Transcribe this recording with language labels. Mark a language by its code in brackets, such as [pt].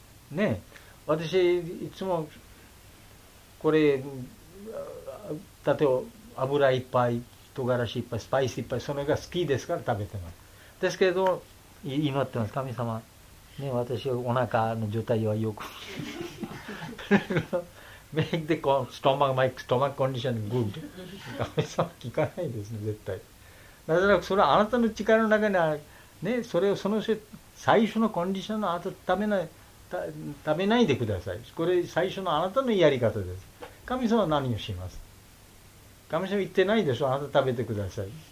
[ja] ね、私、いつも、これ、例えば、油いっぱい、唐辛子いっぱい、スパイスいっぱい、それが好きですから食べてます。ですけど、祈ってます、神様。ね、私はお腹の状態はよく [en] make the stomach, my stomach condition good. [ja] 神様聞かないですね、絶対。なぜなら、それはあなたの力の中にね、それをその最初のコンディションのあと食べないでください。これ最初のあなたのやり方です。神様は何をします？神様言ってないでしょ、あなた食べてください。